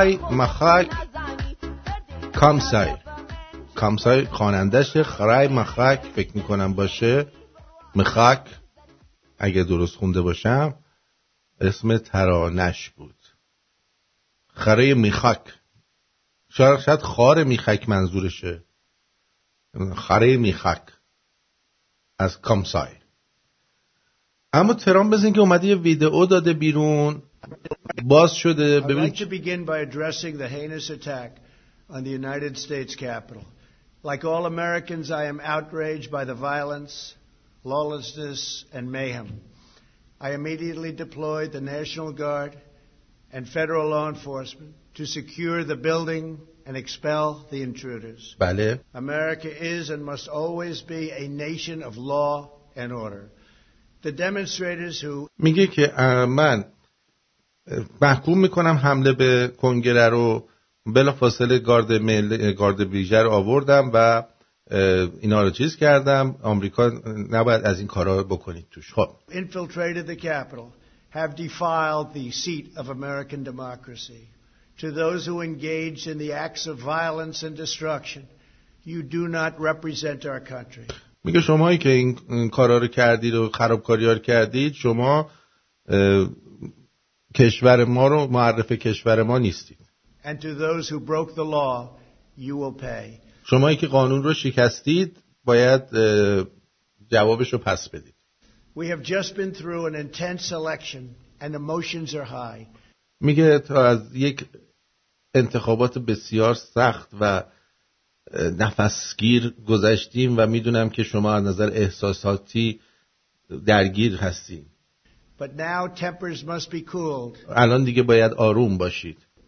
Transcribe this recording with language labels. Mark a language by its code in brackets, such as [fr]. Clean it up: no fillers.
[fa] مخای کامسای کامسای خانندش خرای مخک فکر میکنم باشه مخک اگه درست خونده باشم اسم ترانش بود خرای میخک شاید خار میخک منظورشه خرای میخک از کامسای. اما ترام بزن که اومده یه ویدئو داده بیرون باز شده. ببینید [en] چه بگین با addressing the heinous attack on the United States Capitol. Like all Americans, I am outraged by the violence, lawlessness, and mayhem. I immediately deployed the National Guard and federal law enforcement to secure the building and expel the intruders. [fa] بله. [en] America is and must always be a nation of law and order. The demonstrators who... [fa] میگه که من محکوم میکنم حمله به کنگره رو بلافاصله گارد مل گارد بریجر آوردم و اینا رو چیز کردم. آمریکا نباید از این کارا بکنید توش. خب [en] infiltrated the capital, have defiled the seat of American democracy. To those who engage in the acts of violence and destruction, you do not represent our country. [fa] میگه شمایی که این کارا رو کردید و خرابکاری‌ها رو کردید، شما کشور ما رو معرف کشور ما نیستید. [en] And to those who broke the law, you will pay. [fa] شمایی که قانون رو شکستید باید جوابش رو پس بدید. [en] We have just been through an intense election and emotions are high. [fa] میگه تا از یک انتخابات بسیار سخت و نفسگیر گذشتیم و میدونم که شما از نظر احساساتی درگیر هستیم. [en] But now tempers must be cooled. [fa] الان دیگه باید آروم باشید.